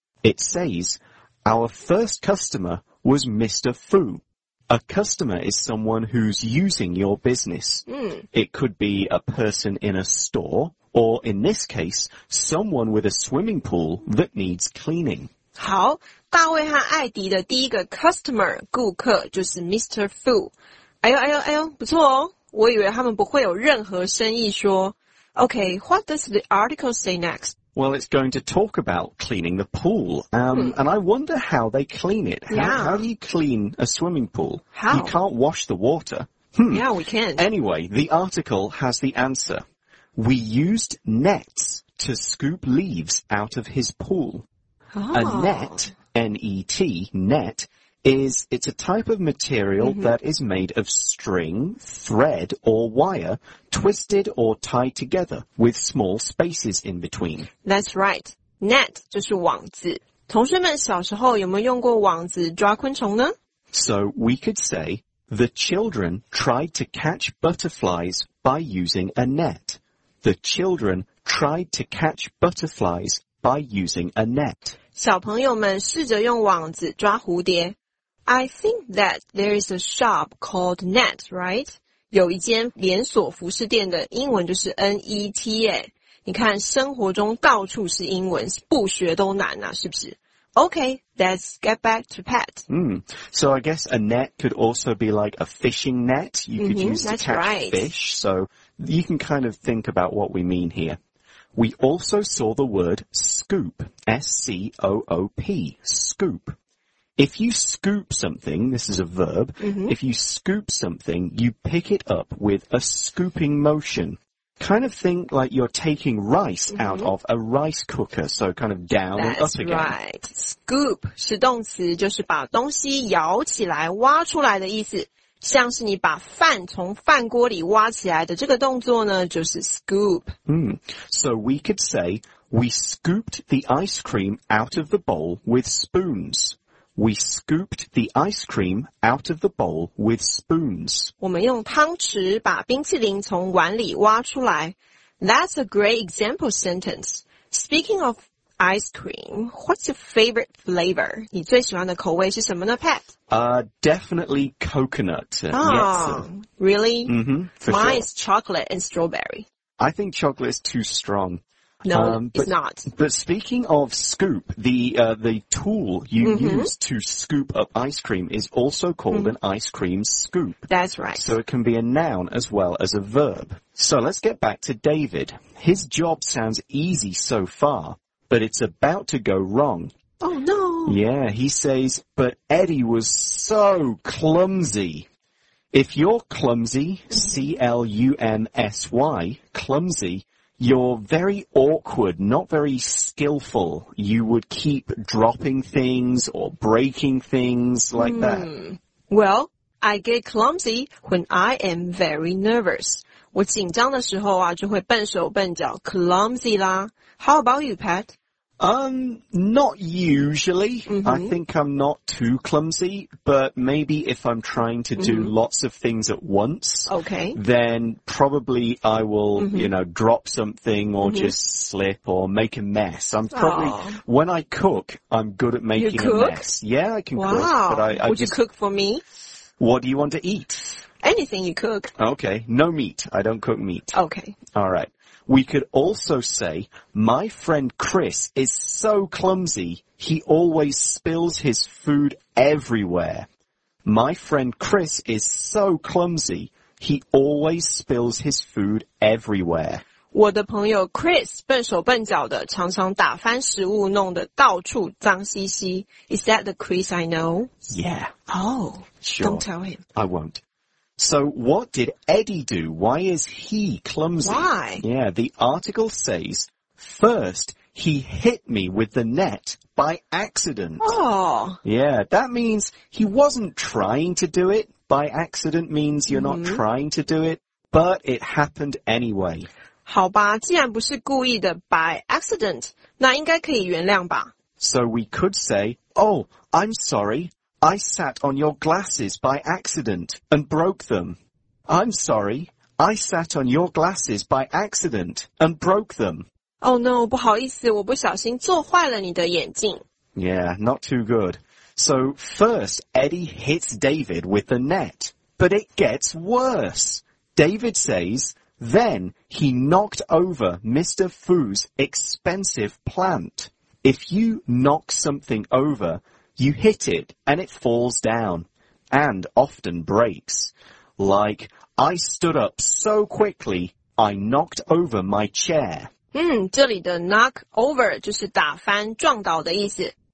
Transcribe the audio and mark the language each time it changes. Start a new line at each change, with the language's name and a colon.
English: It says, Our first customer was Mr. Fu. A customer is someone who's using your business. Mm. It could be a person in a store, or in this case, someone with a swimming pool that needs cleaning.
Chinese: 好，大卫和艾迪的第一个 customer 顾客就是 Mr. Fu. 哎呦哎呦哎呦，不错哦。我以为他们不会有任何生意说。
English: Okay, what does the article say next? Well, it's going to talk about cleaning the pool. And I wonder how they clean it. How do you clean a swimming pool? How? You can't wash the water. Yeah, we can. Anyway, the article has the answer. We used nets to scoop leaves out of his pool. Oh. A net, N-E-T, net, it's a type of material that is made of string, thread, or wire,twisted or tied together with small spaces in between. That's right. Net
Chinese: 就是网子。同学们小时候有没有用过网子抓昆虫呢?
English: So we could say, the children tried to catch butterflies by using a net. The children tried to catch butterflies by using a net.
Chinese: 小朋友们试着用网子抓蝴蝶。
English: I think that there is a shop called Net, right?
Chinese: 有一间连锁服饰店的英文就是 N-E-T 耶。你看生活中到处是英文，不学都难啊，是不是？
English: Okay, let's get back to Pat. So I guess a net could also be like a fishing net you could use to catch fish. So you can kind of think about what we mean here. We also saw the word scoop, S-C-O-O-P, scoop. If you scoop something, this is a verb, if you scoop something, you pick it up with a scooping motion. Kind of think like you're taking rice out of a rice cooker, so kind of down and up again. That's right.
Chinese: Scoop 是动词，就是把东西摇起来、挖出来的意思。像是你把饭从饭锅里挖起来的这个动作呢，就是 scoop.
English: So we could say, we scooped the ice cream out of the bowl with spoons. We scooped the ice cream out of the bowl with spoons.
Chinese: 我们用汤匙把冰淇淋从碗里挖出来。
English: That's a great example sentence. Speaking of ice cream, what's your favorite flavor?
Chinese: 你最喜欢的口味是什么呢 ,Pat?
English: Definitely coconut. Really? Mine is chocolate and strawberry. I think chocolate is too strong. No, it's not. But speaking of scoop, the tool you use to scoop up ice cream is also called an ice cream scoop. That's right. So it can be a noun as well as a verb. So let's get back to David. His job sounds easy so far, but it's about to go wrong. Oh, no. Yeah, he says, but Eddie was so clumsy. If you're clumsy, C-L-U-M-S-Y, clumsy,You're very awkward, not very skillful. You would keep dropping things or breaking things like that. Well, I get clumsy when I am very nervous.
Chinese: 我紧张的时候啊，就会笨手笨脚 ,clumsy 啦。
English: How about you, Pat? Not usually. I think I'm not too clumsy, but maybe if I'm trying to do lots of things at once, then probably I will, you know, drop something or just slip or make a mess. I'm probably, when I cook, I'm good at making a mess. Yeah, I can cook. Would you cook for me? What do you want to eat? Anything you cook. Okay, no meat. I don't cook meat. Okay. All right. We could also say, my friend Chris is so clumsy, he always spills his food everywhere. My friend Chris is so clumsy, he always spills his food everywhere.
Chinese: 我的朋友 Chris 笨手笨脚的常常打翻食物弄得到处脏兮兮。
English: Is that the Chris I know? Yeah. Oh, sure. Don't tell him. I won't. So what did Eddie do? Why is he clumsy? Why? Yeah, the article says, first, he hit me with the net by accident. Oh. Yeah, that means he wasn't trying to do it. By accident means you're not trying to do it, but it happened anyway.
Chinese: 好吧,既然不是故意的 by accident, 那应该可以原谅吧。
English: So we could say, oh, I'm sorry. I sat on your glasses by accident and broke them. I'm sorry, I sat on your glasses by accident and broke them. Oh no,
Chinese: 不好意思,我不小心坐坏了你的眼镜。
English: Yeah, not too good. So first, Eddie hits David with the net. But it gets worse. David says, then he knocked over Mr. Fu's expensive plant. If you knock something over... You hit it, and it falls down, and often breaks. Like, I stood up so quickly, I knocked over my chair.
Chinese: 这里的 knock over 就是打翻、撞倒的意思。